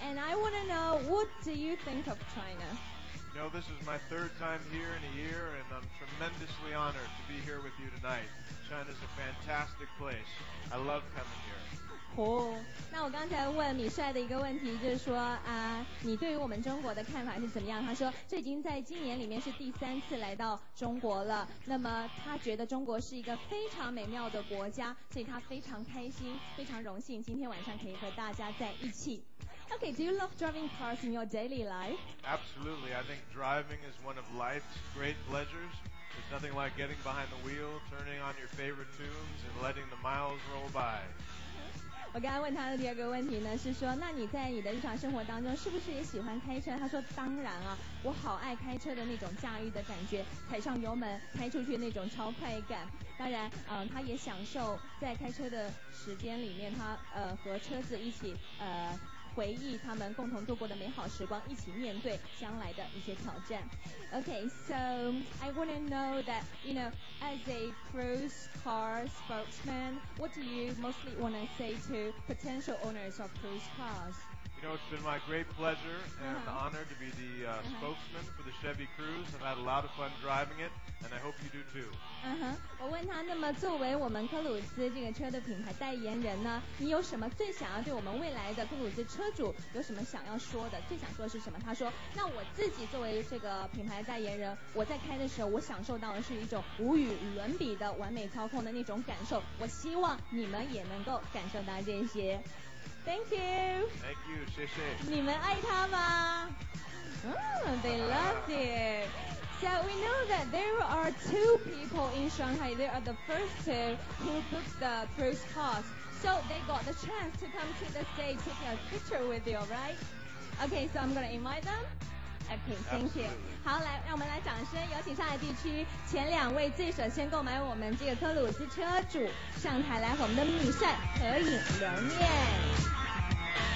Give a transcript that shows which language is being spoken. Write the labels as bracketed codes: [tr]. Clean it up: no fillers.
[en] And I want to know, what do you think of China? You know, this is my third time here in a year, and I'm tremendously honored to be here with you tonight. China's a fantastic place. I love coming here. Cool. [zh] 那我刚才问米帅的一个问题就是说你对于我们中国的看法是怎么样？他说这已经在今年里面是第三次来到中国了，那么他觉得中国是一个非常美妙的国家，所以他非常开心，非常荣幸今天晚上可以和大家在一起。 [en] Okay, do you love driving cars in your daily life? Absolutely, I think driving is one of life's great pleasures. There's nothing like getting behind the wheel, turning on your favorite tunes and letting the miles roll by. [zh] 我刚刚问他的第二个问题呢，是说，那你在你的日常生活当中，是不是也喜欢开车？他说，当然啊，我好爱开车的那种驾驭的感觉，踩上油门开出去那种超快感。当然，他也享受在开车的时间里面，他和车子一起回忆他们共同度过的美好时光，一起面对将来的一些挑战。 [en] Okay, so I want to know that, you know, as a cruise car spokesman, what do you mostly want to say to potential owners of cruise cars? You know, it's been my great pleasure and honor to be the spokesman for the Chevy Cruze. I've had a lot of fun driving it, and I hope you do too. [zh] Uh-huh. 我问他，那么作为我们科鲁兹这个车的品牌代言人呢，你有什么最想要对我们未来的科鲁兹车主有什么想要说的？最想说的是什么？他说，那我自己作为这个品牌代言人，我在开的时候，我享受到的是一种无与伦比的完美操控的那种感受。我希望你们也能够感受到这些。 [en] Thank you. Thank you. [zh] 谢谢。你们爱他吗？ [en] They love it. So we know that there are two people in Shanghai. They are the first two who booked the cruise cars. So they got the chance to come to the stage to take a picture with you, right? Okay, so I'm gonna invite them. Okay, thank you. [zh] 好，来，让我们来掌声，有请上海地区前两位最首先购买我们这个科鲁兹车主上台来和我们的米帅合影留念。